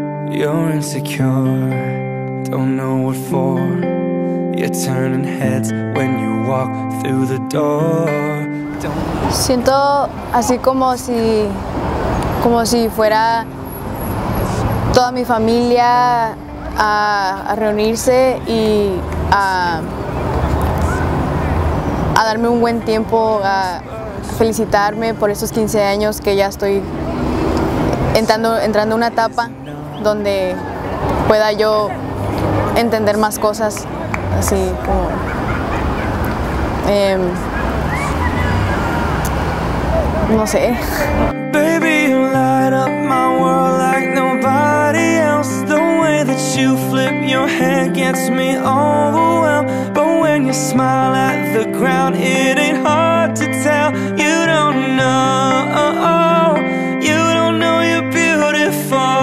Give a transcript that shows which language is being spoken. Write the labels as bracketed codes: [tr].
[en] You're insecure, don't know what for. You're turning heads when you walk through the door. [es] Siento así como si fuera toda mi familia a reunirse y a darme un buen tiempo, a felicitarme por estos 15 años que ya estoy entrando una etapa donde pueda yo entender más cosas, así como no sé. [en] Baby, you light up my world like nobody else. The way that you flip your head gets me overwhelmed. But when you smile at the ground, it ain't hard to tell. You don't know, you don't know you're beautiful.